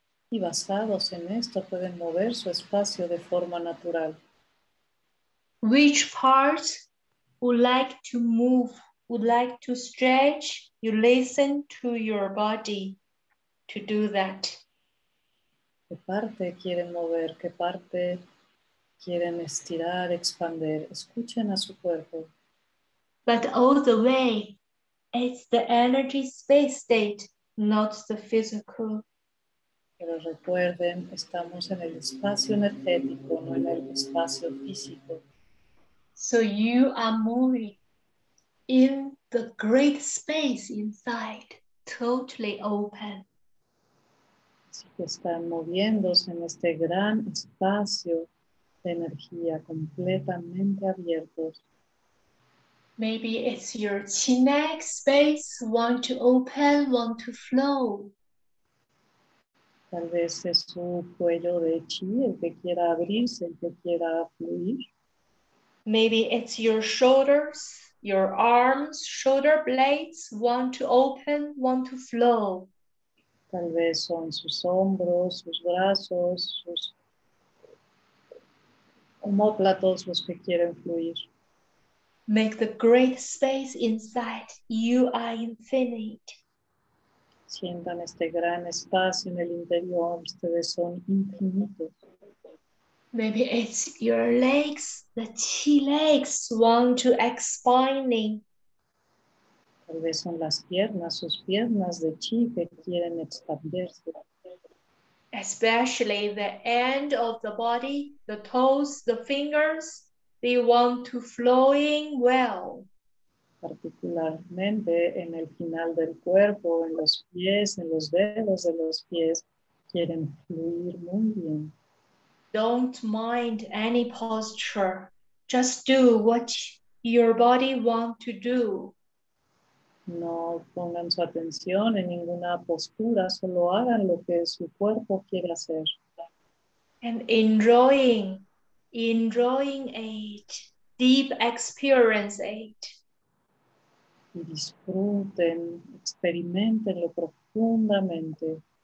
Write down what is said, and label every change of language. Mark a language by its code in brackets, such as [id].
[es] Y basados en esto, pueden mover su espacio de forma natural. [en] Which part would like to move, would like to stretch, you listen to your body to do that. [es] ¿Qué parte quieren mover? ¿Qué parte quieren estirar, expander? Escuchen a su cuerpo. [en] But all the way, it's the energy space state, not the physical. [es] Pero recuerden, estamos en el espacio energético, no en el espacio físico. [en] So you are moving in the great space inside, totally open. [es] Así que están moviéndose en este gran espacio de energía, completamente abiertos. [en] Maybe it's your chi neck space, want to open, want to flow. [es] Tal vez es su cuello de chi, el que quiera abrirse, el que quiera fluir. [en] Maybe it's your shoulders, your arms, shoulder blades, want to open, want to flow. [es] Tal vez son sus hombros, sus brazos, sus omóplatos los que quieren fluir. [en] Make the great space inside. You are infinite. [es] Sientan este gran espacio en el interior, ustedes son infinitos. [en] Maybe it's your legs, the chi legs, want to expanding. [es] Tal vez son las piernas, sus piernas de chi que quieren expandirse. [en] Especially the end of the body, the toes, the fingers, they want to flowing well. [es] Particularmente en el final del cuerpo, en los pies, en los dedos de los pies, quieren fluir muy bien. [en] Don't mind any posture. Just do what your body wants to do. [es] No pongan su atención en ninguna postura, solo hagan lo que su cuerpo quiere hacer. [en] And enjoying it, deep experience it. [es] Y disfruten, experimentenlo profundamente.